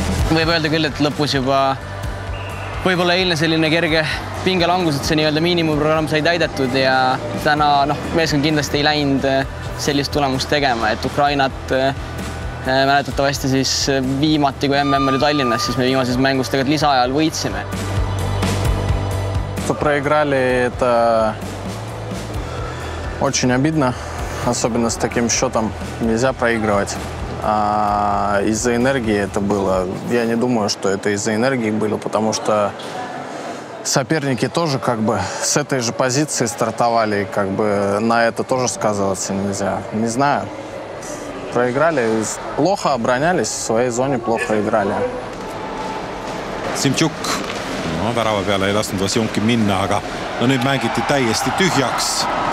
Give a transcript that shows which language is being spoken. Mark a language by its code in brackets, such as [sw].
[et] Võib öelda küll, et lõpus juba võib-olla eilne selline kerge pingelangused, see nii-öelda miinimumprogramm sai täidetud ja täna noh, meeskond kindlasti ei läinud sellist tulemust tegema, et Ukrainat mäletatavasti siis viimati, kui MM oli Tallinnas, siis me viimases mängus tegelikult lisaajal võitsime. [ru] Это проиграли, это очень обидно, особенно с таким счетом нельзя проигрывать. А из-за энергии это было, я не думаю, что это из-за энергии было, потому что соперники тоже как бы с этой же позиции стартовали, и как бы на это тоже сказываться нельзя. Не знаю, проиграли, плохо оборонялись, в своей зоне плохо играли. Симчук. [et] No, värava peale ei lasnud Vasjonki minna, aga no, nüüd mängiti täiesti tühjaks.